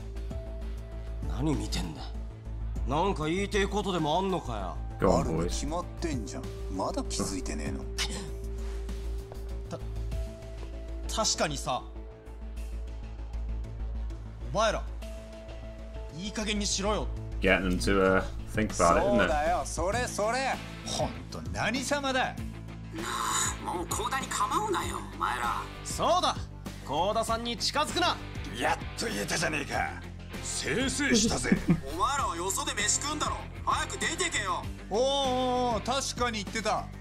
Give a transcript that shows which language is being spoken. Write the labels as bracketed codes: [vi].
[ja] あ、何見てんだ。なんか言いてえことでもあんのかよ。あるに決まってんじゃん。まだ気づいてねえの。確かにさ、お前らいい加減にしろよ。 [en] Get them to think about it, isn't it? [ja] そうだよ、それそれ。ほんと何様だ。なあ、もう高田に構うなよ、お前ら。そうだ、高田さんに近づくな。やっと言えたじゃねえか。せいせいしたぜ。お前らはよそで飯食うんだろ。早く出てけよ。おーおー、確かに言ってた。